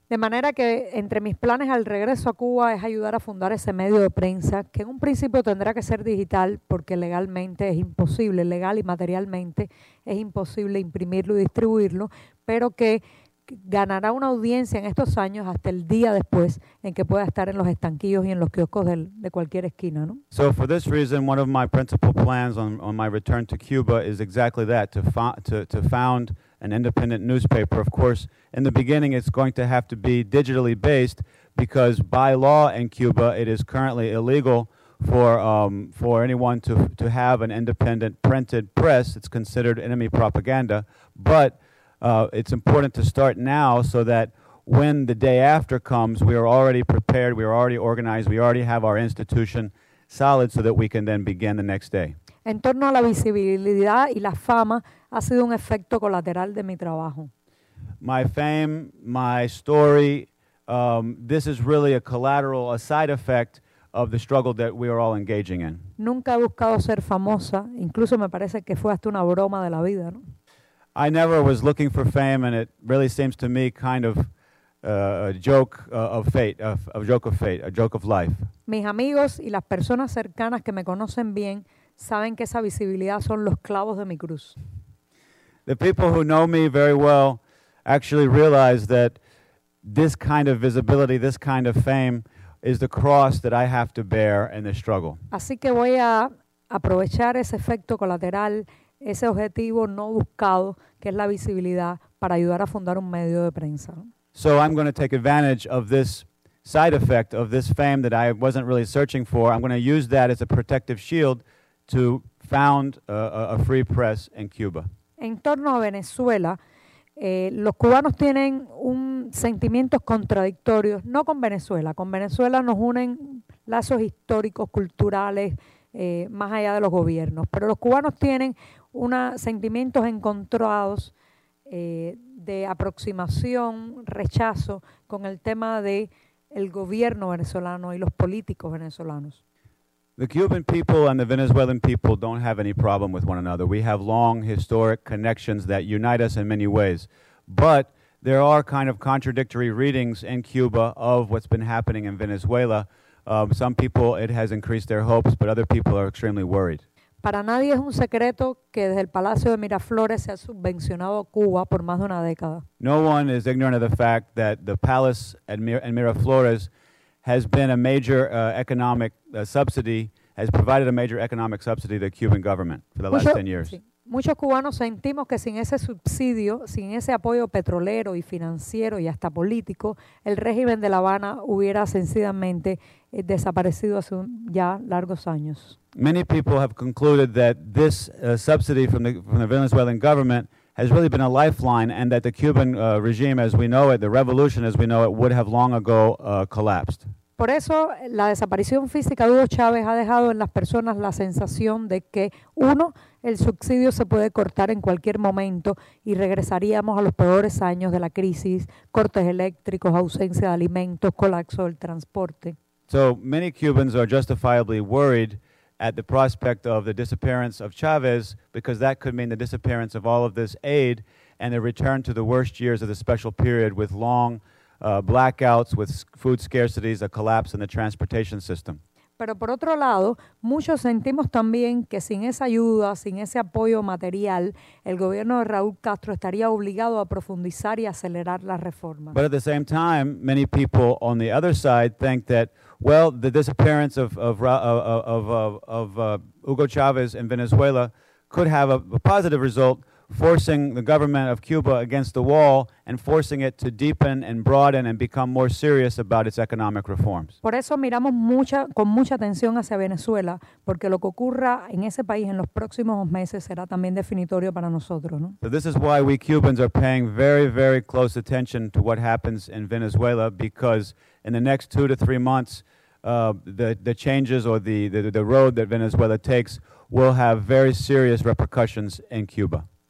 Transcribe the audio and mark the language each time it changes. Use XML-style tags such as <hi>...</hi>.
<es>De manera que entre mis planes al regreso a Cuba es ayudar a fundar ese medio de prensa que en un principio tendrá que ser digital porque legalmente es imposible, legal y materialmente es imposible imprimirlo y distribuirlo, pero que ganará una audiencia en estos años hasta el día después en que pueda estar en los estanquillos y en los kioscos de cualquier esquina, ¿no?</es> <en>So for this reason, one of my principal plans on my return to Cuba is exactly that, to found an independent newspaper. Of course, in the beginning, it's going to have to be digitally based because by law in Cuba, it is currently illegal for anyone to have an independent printed press. It's considered enemy propaganda. But it's important to start now so that when the day after comes, we are already prepared, we are already organized, we already have our institution solid so that we can then begin the next day.</en> <es>En torno a la visibilidad y la fama, ha sido un efecto colateral de mi trabajo.</es> <en>My fame, my story, this is really a collateral, a side effect of the struggle that we are all engaging in.</en> <es>Nunca he buscado ser famosa, incluso me parece que fue hasta una broma de la vida, ¿no?</es> <en>I never was looking for fame, and it really seems to me kind of a joke of life.</en> <es>Mis amigos y las personas cercanas que me conocen bien saben que esa visibilidad son los clavos de mi cruz.</es> <en>The people who know me very well actually realize that this kind of visibility, this kind of fame, is the cross that I have to bear in this struggle.</en> <es>Así que voy a aprovechar ese efecto colateral, ese objetivo no buscado, que es la visibilidad, para ayudar a fundar un medio de prensa.</es> <en>So I'm going to take advantage of this side effect, of this fame that I wasn't really searching for. I'm going to use that as a protective shield to found a free press in Cuba.</en> <es>En torno a Venezuela, los cubanos tienen sentimientos contradictorios, no con Venezuela. Con Venezuela nos unen lazos históricos, culturales, más allá de los gobiernos. Pero los cubanos tienen sentimientos encontrados de aproximación, rechazo con el tema del gobierno venezolano y los políticos venezolanos.</es> <en>The Cuban people and the Venezuelan people don't have any problem with one another. We have long historic connections that unite us in many ways. But there are kind of contradictory readings in Cuba of what's been happening in Venezuela. Some people, it has increased their hopes, but other people are extremely worried.</en> <es>Para nadie es un secreto que desde el Palacio de Miraflores se ha subvencionado Cuba por más de una década.</es> <en>No one is ignorant of the fact that the palace in Miraflores has been a major economic subsidy, has provided a major economic subsidy to the Cuban government for the last 10 years.</en> <es>Muchos cubanos sentimos que sin ese subsidio, sin ese apoyo petrolero y financiero y hasta político, el régimen de La Habana hubiera sencillamente desaparecido hace ya largos años.</es> <en>Many people have concluded that this subsidy from the Venezuelan government has really been a lifeline, and that the Cuban regime, as we know it, the revolution, as we know it, would have long ago collapsed.</en> <es>Por eso, la desaparición física de Hugo Chávez ha dejado en las personas la sensación de que, uno, el subsidio se puede cortar en cualquier momento y regresaríamos a los peores años de la crisis, cortes eléctricos, ausencia de alimentos, colapso del transporte.</es> <en>So many Cubans are justifiably worried at the prospect of the disappearance of Chávez, because that could mean the disappearance of all of this aid and a return to the worst years of the special period with long blackouts, with food scarcities, a collapse in the transportation system.</en> <es>Pero por otro lado, muchos sentimos también que sin esa ayuda, sin ese apoyo material, el gobierno de Raúl Castro estaría obligado a profundizar y acelerar las reformas.</es> <en>But at the same time, many people on the other side think that, well, the disappearance of Hugo Chávez in Venezuela could have a positive result, forcing the government of Cuba against the wall and forcing it to deepen and broaden and become more serious about its economic reforms.</en> <es>Por eso miramos con mucha atención hacia Venezuela, porque lo que ocurra en ese país en los próximos meses será también definitorio para nosotros, ¿no?</es> <en>So this is why we Cubans are paying very, very close attention to what happens in Venezuela, because in the next 2 to 3 months, the changes or the road that Venezuela takes will have very serious repercussions in Cuba.</en>